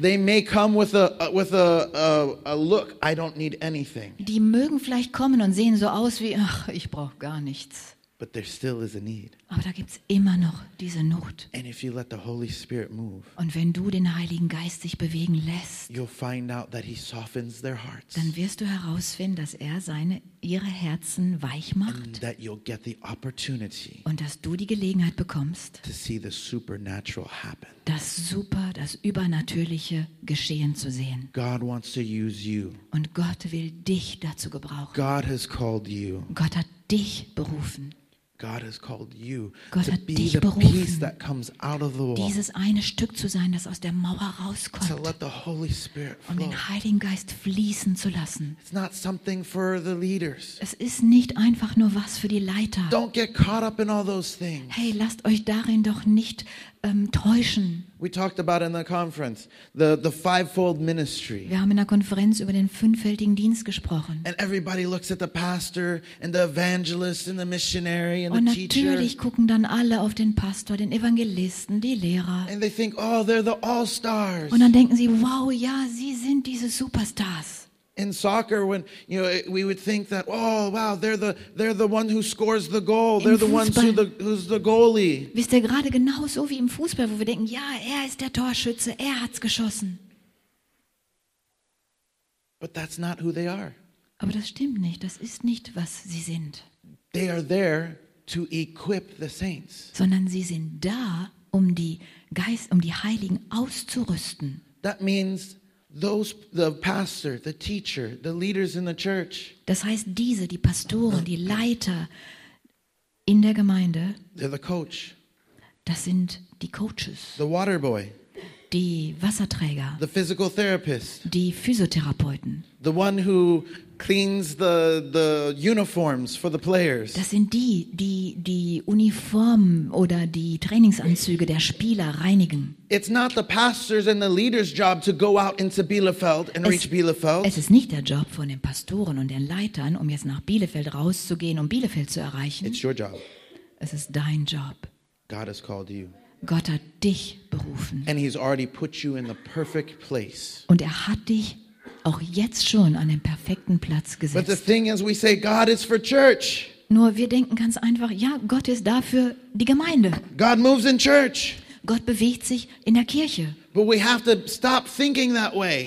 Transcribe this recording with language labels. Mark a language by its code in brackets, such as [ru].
[en] They may come with a look. I don't need anything. [de] Die mögen vielleicht kommen und sehen so aus wie ach, ich brauche gar nichts. [en] But there still is a need. [de] Aber da gibt's immer noch diese Not. [en] And if you let the Holy Spirit move, [de] und wenn du den Heiligen Geist sich bewegen lässt, [en] you'll find out that he softens their hearts. [de] Dann wirst du herausfinden, dass er ihre Herzen weich macht. [en] And that you'll get the opportunity, [de] und dass du die Gelegenheit bekommst, [en] to see the supernatural happen. [de] Das übernatürliche Geschehen zu sehen. [en] God wants to use you. [de] Und Gott will dich dazu gebrauchen. [en] God has called you. [de] Gott hat dich berufen. [en] God has called you [de] Gott [en] to [de] hat [en] be [de] dich [en] the [de] berufen, [en] piece that comes out of the wall. [de] Dieses eine Stück zu sein, das aus der Mauer rauskommt. [en] To let the Holy Spirit flow. [de] Um den Heiligen Geist fließen zu lassen. [en] It's not something for the leaders. [de] Es ist nicht einfach nur was für die Leiter. [en] Don't get caught up in all those things. [de] Hey, lasst euch darin doch nicht täuschen. [en] We talked about in the conference the fivefold ministry. [de] Wir haben in der Konferenz über den fünffältigen Dienst gesprochen. [en] And everybody looks at the pastor and the evangelist and the missionary and [de] und [en] the teacher. [de] Und natürlich gucken dann alle auf den Pastor, den Evangelisten, die Lehrer. [en] And they think, oh, they're the all-stars. [de] Und dann denken sie, wow, ja, sie sind diese Superstars. [en] In soccer, when you know, we would think that, oh wow, they're the one who scores the goal. They're who's the goalie. [de] Wisst ihr, gerade genau so wie im Fußball, wo wir denken, ja, ist der Torschütze, hat's geschossen. [en] But that's not who they are. [de] Aber das stimmt nicht. Das ist nicht, was sie sind. [en] They are there to equip the saints. [de] Sondern sie sind da, um die Heiligen auszurüsten. [en] That means those the pastor, the teacher, the leaders in the church. [de] Das heißt, diese, die Pastoren, die Leiter in der Gemeinde. [en] They're the coach. [de] Das sind die Coaches. [en] The water boy. [de] Die Wasserträger. [en] The physical therapist. [de] Die Physiotherapeuten. [en] The one who cleans the uniforms for the players. [de] Das sind die Uniformen oder die Trainingsanzüge der Spieler reinigen. [en] It's not the pastors and the leaders' job to go out into Bielefeld and reach Bielefeld. [de] Es ist nicht der Job von den Pastoren und den Leitern, um jetzt nach Bielefeld rauszugehen, um Bielefeld zu erreichen. [en] It's your job. [de] Es ist dein Job. [en] God has called you. [de] Gott hat dich berufen. [en] And he's already put you in the perfect place. [de] Und hat dich auch jetzt schon an den perfekten Platz gesetzt. [en] But the thing is, we say God is for church. [de] Nur wir denken ganz einfach, ja, Gott ist dafür die Gemeinde. [en] God moves in church. [de] Gott bewegt sich in der Kirche. [en] But we have to stop thinking that way.